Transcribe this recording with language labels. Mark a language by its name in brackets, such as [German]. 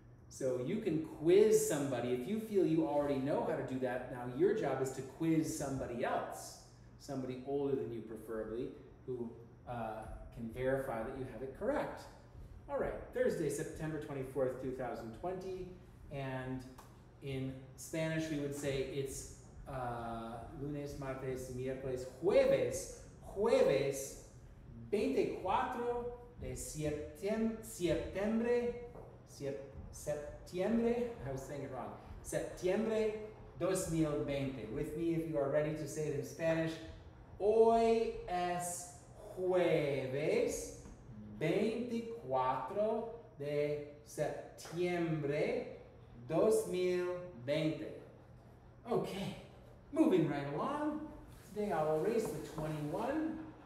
[English] So you can quiz somebody. If you feel you already know how to do that, now your job is to quiz somebody else, somebody older than you preferably, who can verify that you have it correct. All right, Thursday, September 24th, 2020. And in Spanish, we would say it's [Spanish] lunes, martes, miércoles, jueves. Jueves 24 de septiembre, [English] I was saying it wrong, [Spanish] septiembre 2020. [English] With me if you are ready to say it in Spanish. [Spanish] Hoy es jueves 24 de septiembre 2020. [English] Okay, moving right along. Today I'll erase the 21.